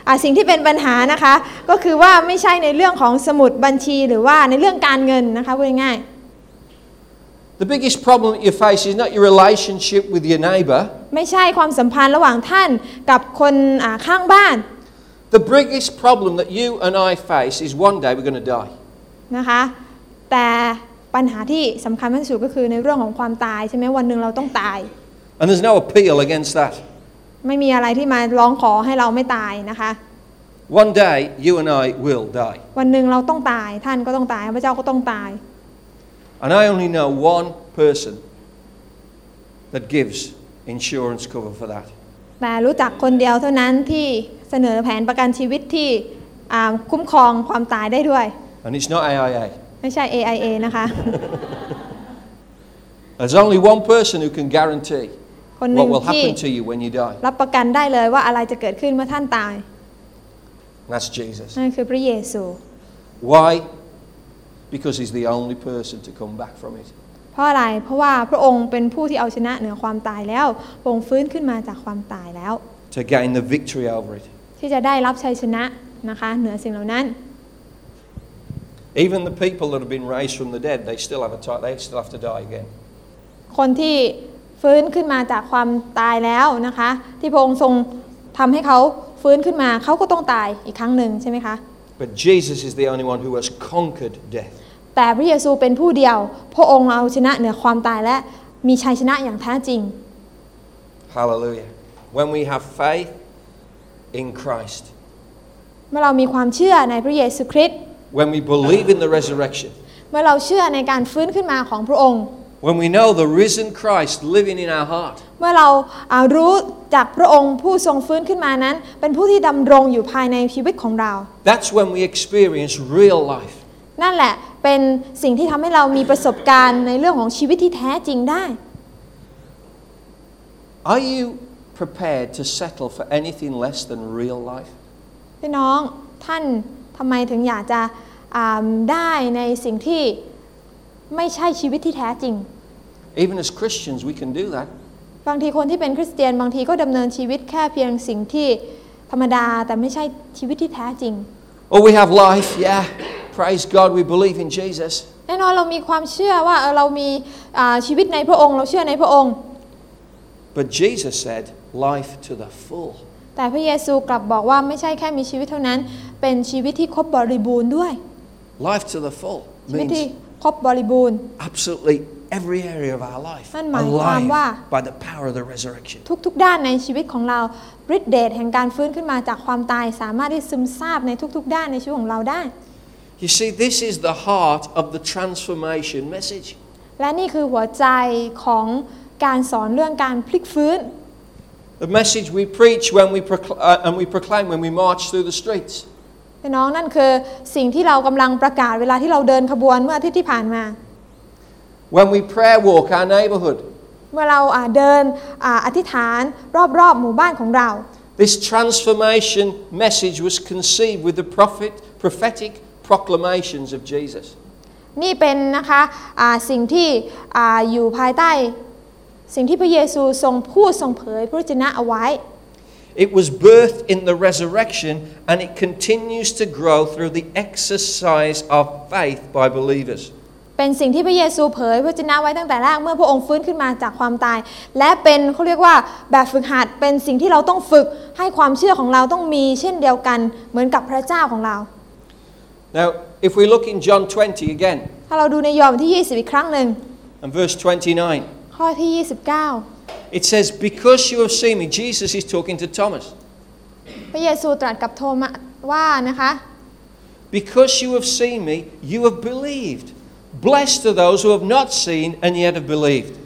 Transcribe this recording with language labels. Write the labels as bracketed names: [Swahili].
[Thai] สิ่งที่เป็นปัญหานะคะก็คือว่าไม่ใช่ในเรื่องของสมุดบัญชีหรือว่าในเรื่องการเงินนะคะพูดง่าย [English] The biggest problem that you face is not your relationship with your neighbor. [Thai] ไม่ใช่ความสัมพันธ์ระหว่างท่านกับคนข้างบ้าน [English] The biggest problem that you and I face is one day we're going to die. [Thai] นะคะแต่ปัญหาที่สำคัญที่สุดก็คือในเรื่องของความตายใช่ไหมวันหนึ่งเราต้องตาย [English] And there's no appeal against that. [Thai] ไม่มีอะไรที่มาร้องขอให้เราไม่ตายนะคะ [English] One day you and I will die. [Thai] วันหนึ่งเราต้องตายท่านก็ต้องตายพระเจ้าก็ต้องตาย [English] And I only know one person that gives insurance cover for that. [Thai] แต่รู้จักคนเดียวเท่านั้นที่เสนอแผนประกันชีวิตที่คุ้มครองความตายได้ด้วย [English] And it's not AIA. [Thai] ไม่ใช่ AIA นะคะ [English] There's only one person who can guarantee. What will happen to you when you die? [Thai] รับประกันได้เลยว่าอะไรจะเกิดขึ้นเมื่อท่านตาย [English] That's Jesus. [Thai] นั่นคือพระเยซู [English] Why? Because he's the only person to come back from it. [Thai] เพราะอะไรเพราะว่าพระองค์เป็นผู้ที่เอาชนะเหนือความตายแล้วพระองค์ฟื้นขึ้นมาจากความตายแล้ว [English] To gain the victory over it. [Thai] ที่จะได้รับชัยชนะนะคะเหนือสิ่งเหล่านั้น [English] Even the people that have been raised from the dead, they still have to die again. [Thai] คนที่ฟื้นขึ้นมาจากความตายแล้วนะคะที่พระองค์ทรงทำให้เขาฟื้นขึ้นมาเขาก็ต้องตายอีกครั้งหนึ่งใช่ไหมคะ [English] But Jesus is the only one who has conquered death. [Thai] แต่พระเยซูเป็นผู้เดียวพระองค์เอาชนะเหนือความตายและมีชัยชนะอย่างแท้จริง [English] Hallelujah. When we have faith in Christ. [Thai] เมื่อเรามีความเชื่อในพระเยซูคริสต์ [English] When we believe in the resurrection. [Thai] เมื่อเราเชื่อในการฟื้นขึ้นมาของพระองค์ [English] When we know the risen Christ living in our heart. [Thai] เมื่อเรารู้จักพระองค์ผู้ทรงฟื้นขึ้นมานั้นเป็นผู้ที่ดำรงอยู่ภายในชีวิตของเรา [English] That's when we experience real life. [Thai] นั่นแหละเป็นสิ่งที่ทำให้เรามีประสบการณ์ในเรื่องของชีวิตที่แท้จริงได้ [English] Are you prepared to settle for anything less than real life? [Thai] พี่น้องท่านทำไมถึงอยากจะได้ในสิ่งที่ไม่ใช่ชีวิตที่แท้จริง [English] Even as Christians we can do that [Thai] บางทีคนที่เป็นคริสเตียนบางทีก็ดำเนินชีวิตแค่เพียงสิ่งที่ ธรรมดาแต่ไม่ใช่ชีวิตที่แท้จริง [English] Oh we have life yeah praise God we believe in Jesus [Thai] แน่นอนเรามีความเชื่อว่าเรามีชีวิตในพระองค์เราเชื่อในพระองค์ [English] But Jesus said life to the full [Thai] แต่พระเยซูกลับบอกว่าไม่ใช่แค่มีชีวิตเท่านั้นเป็นชีวิตที่ครบบริบูรณ์ด้วย [English] Life to the full means [Thai] ครบบริบูรณ์ [English] Absolutely every area of our life [Thai] นั่นหมายความว่า [English] by the power of the resurrection [Thai] ทุกๆด้านในชีวิตของเราฤทธิ์เดชแห่งการฟื้นขึ้นมาจากความตายสามารถที่ซึมซาบในทุกๆด้านในชีวิตของเราได้ [English] You see this is the heart of the transformation message [Thai] และนี่คือหัวใจของการสอนเรื่องการพลิกฟื้น [English] The message we preach when we proclaim when we march through the streets. [Thai] พี่น้องนั่นคือสิ่งที่เรากำลังประกาศเวลาที่เราเดินขบวนเมื่ออาทิตย์ที่ผ่านมา [English] When we prayer walk our neighborhood. [Thai] เมื่อเราเดินอธิษฐานรอบหมู่บ้านของเรา [English] This transformation message was conceived with the prophetic proclamations of Jesus. [Thai] นี่เป็นนะคะสิ่งที่อยู่ภายใต้สิ่งที่พระเยซูทรงพูดทรงเผยพระวจนะเอาไว้ [English] It was birthed in the resurrection and it continues to grow through the exercise of faith by believers [Thai] เป็นสิ่งที่พระเยซูเผยพระวจนะไว้ตั้งแต่แรกเมื่อพระองค์ฟื้นขึ้นมาจากความตายและเป็นเขาเรียกว่าแบบฝึกหัดเป็นสิ่งที่เราต้องฝึกให้ความเชื่อของเราต้องมีเช่นเดียวกันเหมือนกับพระเจ้าของเรา [English] Now if we look in John 20 again [Thai] ถ้าเราดูในยอห์นบทที่20อีกครั้งนึง [English] And verse 29 [Thai] ข้อที่29 [English] It says because you have seen me Jesus is talking to Thomas [Thai] พระเยซูตรัสกับโทมัสว่านะคะ [English] Because you have seen me you have believed Blessed are those who have not seen and yet have believed